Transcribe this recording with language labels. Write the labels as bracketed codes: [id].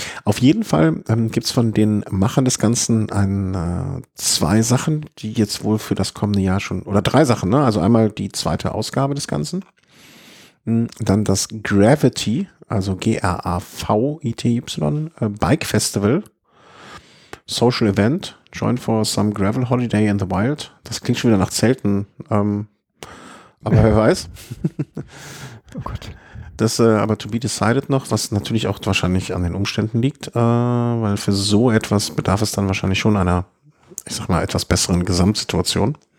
[de] Auf jeden Fall gibt es von den Machern des Ganzen zwei Sachen, die jetzt wohl für das kommende Jahr schon, oder 3 Sachen, ne? Also einmal die zweite Ausgabe des Ganzen, dann das Gravity, also GRAVITY Bike Festival, Social Event, [en] Join for some gravel holiday in the wild. [de] Das klingt schon wieder nach Zelten. Aber wer weiß. Oh Gott. Das aber [en] to be decided [de] noch, was natürlich auch wahrscheinlich an den Umständen liegt, weil für so etwas bedarf es dann wahrscheinlich schon einer, ich sag mal, etwas besseren Gesamtsituation.